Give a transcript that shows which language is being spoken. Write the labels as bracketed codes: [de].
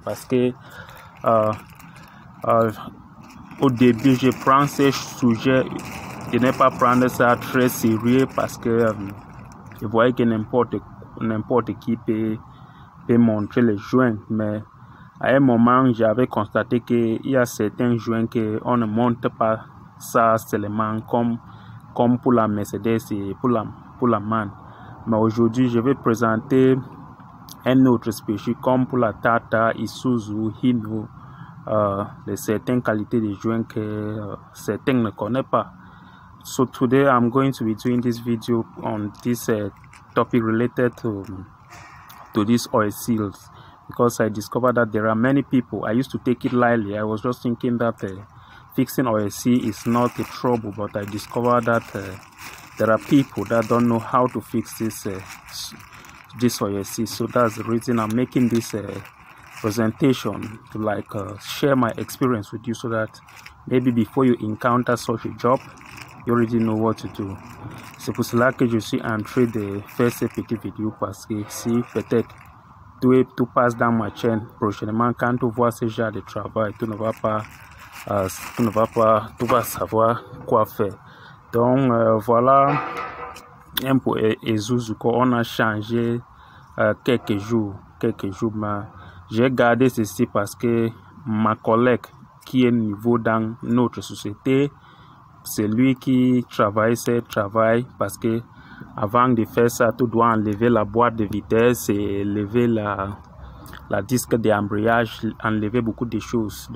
[fr] Parce que au début, je prends ce sujet, je n'ai pas prendre ça très sérieux parce que je voyais que n'importe qui peut montrer les joints, mais à un moment, j'avais constaté qu'il y a certains joints qu'on ne montre pas ça seulement comme pour la Mercedes et pour la MAN. Mais aujourd'hui, je vais présenter un autre spécial comme pour la Tata, Isuzu, Hino, les certaines qualités de joints que certains ne connaissent pas. [en] So today, I'm going to be doing this video on this topic related to these oil seals. Because I discovered that there are many people, I used to take it lightly. I was just thinking that fixing oil seal is not a trouble, but I discovered that there are people that don't know how to fix this oil seal. So that's the reason I'm making this presentation, to share my experience with you, so that maybe before you encounter such a job, you already know what to do. [fr] C'est pour cela que je suis entré de faire ce petit vidéo, parce que si peut-être tu passes dans ma chaîne prochainement, quand tu vois ce genre de travail, tu vas savoir quoi faire. Donc voilà un peu Isuzu qu'on a changé quelques jours, mais j'ai gardé ceci parce que ma collègue qui est nouveau dans notre société, c'est lui qui travaille ce travail, parce que avant de faire ça, tu dois enlever la boîte de vitesse et enlever la disque d'embrayage, enlever beaucoup de choses.